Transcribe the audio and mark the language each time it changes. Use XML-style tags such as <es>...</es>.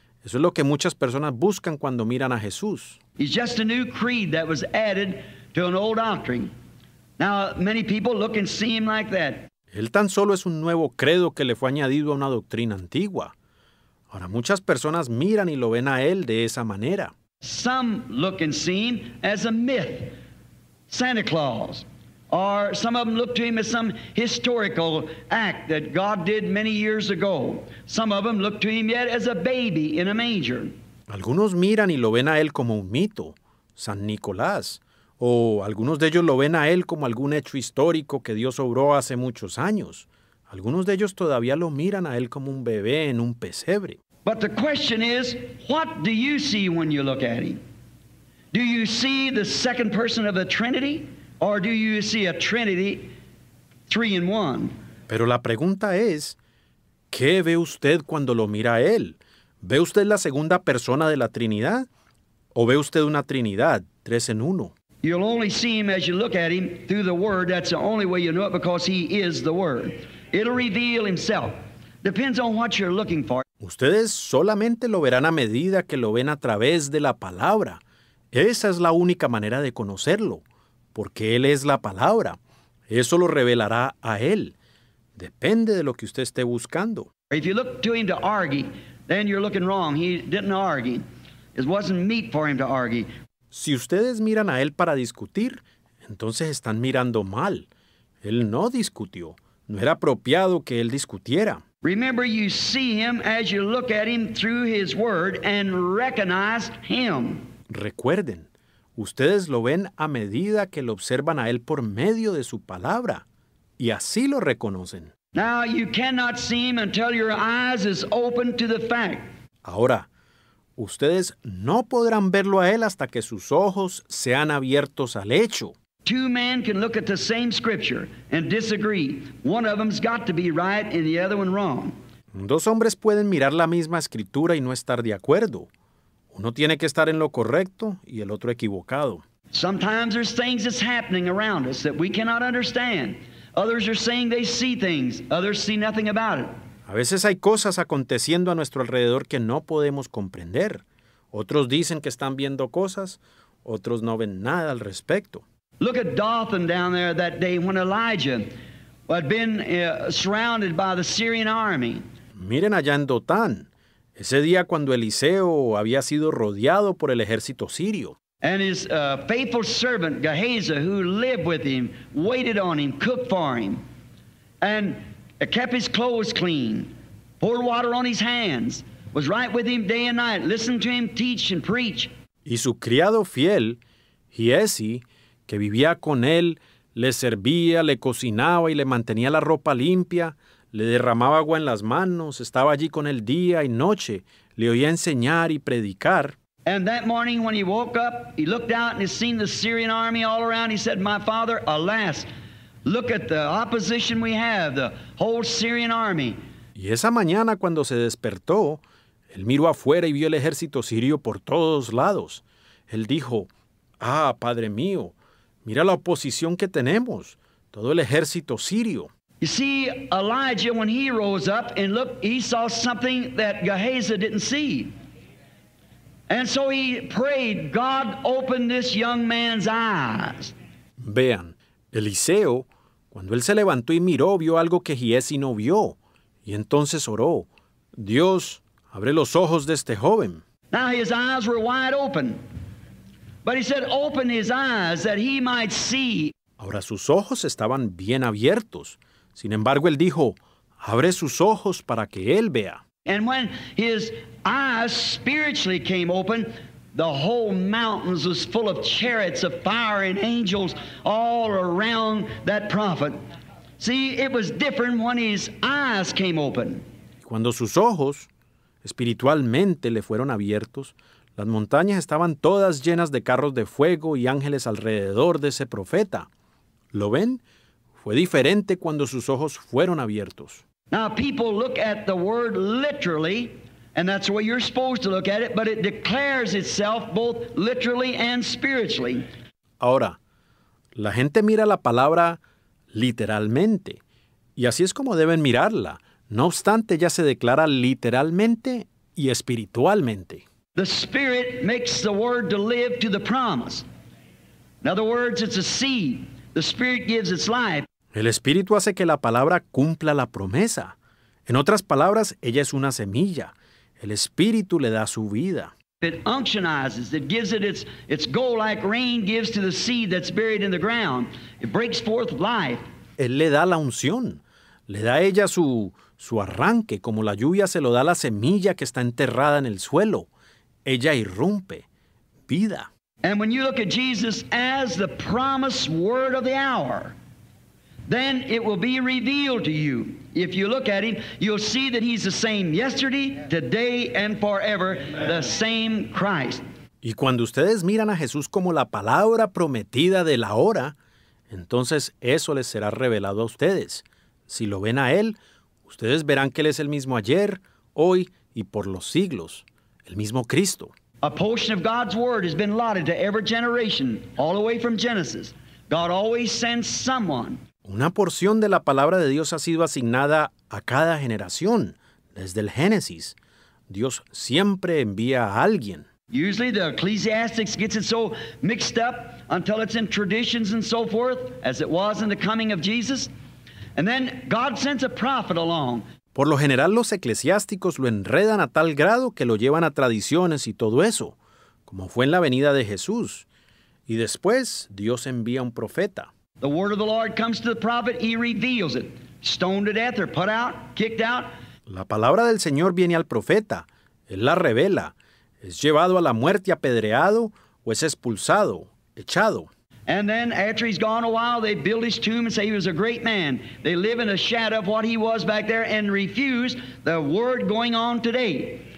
<es>Eso es lo que muchas personas buscan cuando miran a Jesús.</es> <en>It's just a new creed that was added to an old doctrine. Now many people look and see him like that.</en> <es>Él tan solo es un nuevo credo que le fue añadido a una doctrina antigua. Ahora muchas personas miran y lo ven a él de esa manera.</es> <en>Some look and see him as a myth, Santa Claus. Or some of them look to him as some historical act that God did many years ago. Some of them look to him yet as a baby in a manger.</en> <es>Algunos miran y lo ven a él como un mito, San Nicolás. O algunos de ellos lo ven a él como algún hecho histórico que Dios obró hace muchos años. Algunos de ellos todavía lo miran a él como un bebé en un pesebre.</es> <en>But the question is, what do you see when you look at him? Do you see the second person of the Trinity? Or do you see a Trinity, three in one?</en> <es>Pero la pregunta es, ¿qué ve usted cuando lo mira a él? ¿Ve usted la segunda persona de la Trinidad? ¿O ve usted una Trinidad, tres en uno?</es> <en>You'll only see him as you look at him through the Word. That's the only way you know it, because he is the Word. It'll reveal himself. Depends on what you're looking for.</en> <es>Ustedes solamente lo verán a medida que lo ven a través de la palabra. Esa es la única manera de conocerlo, porque Él es la palabra. Eso lo revelará a Él. Depende de lo que usted esté buscando.</es> <en>If you look to him to argue, then you're looking wrong. He didn't argue. It wasn't meat for him to argue.</en> <es>Si ustedes miran a Él para discutir, entonces están mirando mal. Él no discutió. No era apropiado que Él discutiera.</es> <en>Remember, you see him as you look at him through his word and recognize him.</en> <es>Recuerden, ustedes lo ven a medida que lo observan a él por medio de su palabra, y así lo reconocen.</es> <en>Now you cannot see him until your eyes is open to the fact.</en> <es>Ahora, ustedes no podrán verlo a él hasta que sus ojos sean abiertos al hecho.</es> <en>Two men can look at the same scripture and disagree. One of them's got to be right and the other one wrong.</en> <es>Dos hombres pueden mirar la misma escritura y no estar de acuerdo. Uno tiene que estar en lo correcto y el otro equivocado.</es> <en>Sometimes there's things that's happening around us that we cannot understand. Others are saying they see things. Others see nothing about it.</en> <es>A veces hay cosas aconteciendo a nuestro alrededor que no podemos comprender. Otros dicen que están viendo cosas. Otros no ven nada al respecto.</es> <en>Look at Dothan down there that day when Elijah had been surrounded by the Syrian army.</en> <es>Miren allá en Dothan, ese día cuando Eliseo había sido rodeado por el ejército sirio.</es> <en>And his faithful servant Gehazi, who lived with him, waited on him, cooked for him, and kept his clothes clean, poured water on his hands, was right with him day and night, listened to him teach and preach.</en> <es>Y su criado fiel, Giesi, que vivía con él, le servía, le cocinaba y le mantenía la ropa limpia, le derramaba agua en las manos, estaba allí con él día y noche, le oía enseñar y predicar.</es> <en>And that morning when he woke up, he looked out and he seen the Syrian army all around. He said, "My father, alas, look at the opposition we have, the whole Syrian army."</en> <es>Y esa mañana cuando se despertó, él miró afuera y vio el ejército sirio por todos lados. Él dijo, "Ah, padre mío, mira la oposición que tenemos, todo el ejército sirio."</es> <en>You see, Elijah, when he rose up and looked, he saw something that Gehazi didn't see. And so he prayed, "God, open this young man's eyes."</en> <es>Vean, Eliseo, cuando él se levantó y miró, vio algo que Giesi no vio. Y entonces oró, "Dios, abre los ojos de este joven."</es> <en>Now his eyes were wide open. But he said, "Open his eyes that he might see."</en> <es>Ahora sus ojos estaban bien abiertos. Sin embargo, él dijo, "Abre sus ojos para que él vea."</es> <en>And when his eyes spiritually came open, the whole mountains was full of chariots of fire and angels all around that prophet. See, it was different when his eyes came open.</en> <es>Cuando sus ojos espiritualmente le fueron abiertos, las montañas estaban todas llenas de carros de fuego y ángeles alrededor de ese profeta. ¿Lo ven? Fue diferente cuando sus ojos fueron abiertos.</es> <en>Now people look at the word literally, And that's the way you're supposed to look at it, but it declares itself both literally and spiritually.</en> <es>Ahora, la gente mira la palabra literalmente, y así es como deben mirarla. No obstante, ya se declara literalmente y espiritualmente.</es> <en>The Spirit makes the word to live to the promise. In other words, it's a seed. The Spirit gives its life.</en> <es>El Espíritu hace que la palabra cumpla la promesa. En otras palabras, ella es una semilla. El Espíritu le da su vida.</es> <en>It unctionizes, it gives it its go like rain gives to the seed that's buried in the ground. It breaks forth life.</en> <es>Él le da la unción. Le da a ella su arranque, como la lluvia se lo da a la semilla que está enterrada en el suelo. Ella irrumpe. Vida.</es> <en>And when you look at Jesus as the promised word of the hour, then it will be revealed to you. If you look at him, you'll see that he's the same yesterday, today, and forever, the same Christ.</en> <es>Y cuando ustedes miran a Jesús como la palabra prometida de la hora, entonces eso les será revelado a ustedes. Si lo ven a él, ustedes verán que él es el mismo ayer, hoy y por los siglos, el mismo Cristo.</es> <en>A portion of God's word has been allotted to every generation, all the way from Genesis. God always sends someone.</en> <es>Una porción de la palabra de Dios ha sido asignada a cada generación, desde el Génesis. Dios siempre envía a alguien.</es> <en>Usually the Ecclesiastics gets it so mixed up until it's in traditions and so forth, as it was in the coming of Jesus. And then God sends a prophet along.</en> <es>Por lo general, los eclesiásticos lo enredan a tal grado que lo llevan a tradiciones y todo eso, como fue en la venida de Jesús. Y después, Dios envía un profeta.</es> <en>The word of the Lord comes to the prophet, he reveals it. Stoned to death or put out, kicked out.</en> <es>La palabra del Señor viene al profeta. Él la revela. Es llevado a la muerte, apedreado, o es expulsado, echado.</es> <en>And then after he's gone a while, they build his tomb and say he was a great man. They live in a shadow of what he was back there and refuse the word going on today.</en>